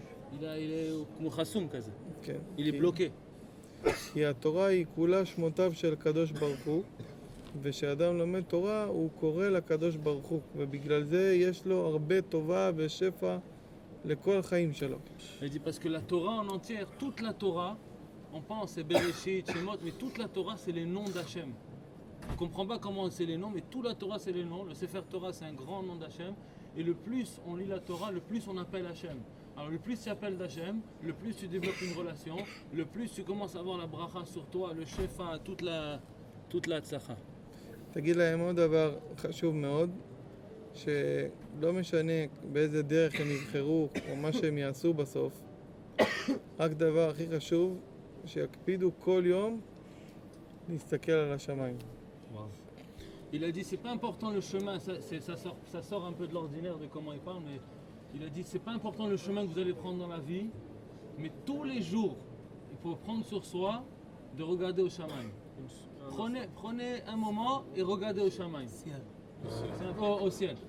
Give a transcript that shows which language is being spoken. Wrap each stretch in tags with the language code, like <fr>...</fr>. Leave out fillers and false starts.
<he>הוא כמו חסום כזה. כן. הוא בלוקה. כי התורה היא כולה שמותיו של קדוש ברוך הוא, וכשאדם לומד תורה, הוא קורא לקדוש ברוך הוא, ובגלל זה יש לו הרבה טובה ושפע לכל החיים שלו.</he> <fr>Et dit parce que la Torah en entière, toute la Torah, on pense c'est Bereshit, Shemot, mais toute la Torah c'est les noms d'Hachem. On comprend pas comment c'est les noms, mais toute la Torah c'est les noms. Le Sefer Torah c'est un grand nom d'Hachem, et le plus on lit la Torah, le plus on appelle Hachem. Alors le plus tu appelles d'Hachem, le plus tu développes une relation, le plus tu commences à avoir la bracha sur toi, le shefa, toute la tzacha.</fr> <he>תגיד להם עוד דבר חשוב מאוד, שלא משנה באיזה דרך הם יבחרו או מה שהם יעשו בסוף, רק דבר הכי חשוב, שיקפידו כל יום להסתכל על השמיים.</he> <fr>Il a dit c'est pas important le chemin, ça sort un peu de l'ordinaire de comment il parle, mais il a dit c'est pas important le chemin que vous allez prendre dans la vie, mais tous les jours il faut prendre sur soi de regarder au chemin. Prenez un moment et regardez au chemin. Au ciel.</fr>